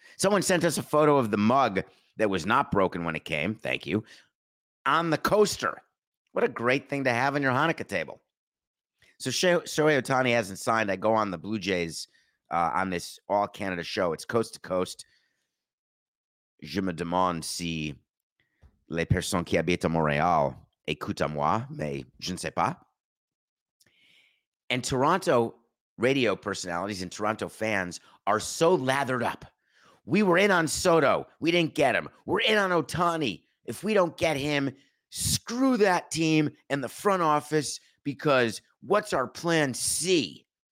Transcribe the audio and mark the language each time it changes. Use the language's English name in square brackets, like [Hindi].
[English] Someone sent us a photo of the mug that was not broken when it came. Thank you. On the coaster. What a great thing to have on your Hanukkah table. So Shohei Ohtani hasn't signed. I go on the Blue Jays on this all-Canada show. It's coast to coast. [French] Je me demande si les personnes qui habitent à Montréal écoutent moi, mais je ne sais pas. [English] And Toronto radio personalities and Toronto fans are so lathered up. We were in on Soto. We didn't get him. We're in on Ohtani. If we don't get him, screw that team and the front office, because what's our plan C?